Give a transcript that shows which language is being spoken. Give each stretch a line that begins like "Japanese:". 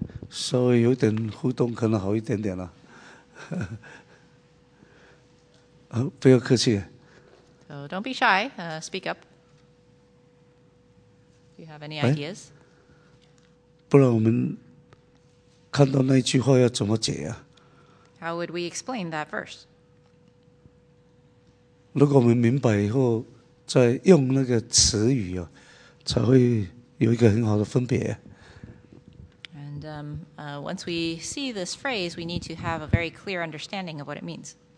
Chinese: 稍微有点互动可能好一点点了。不要客气。So
English: don't be shy, speak up. Do you have any ideas?
Chinese: 不然我们看到那句话要怎么解呀？
English: How would we explain that verse?
Chinese: 如果我们明白以后，再用那个词语啊，才会有一个很好的分别。
English: And once we see this phrase, we need to have a very clear understanding of what it means.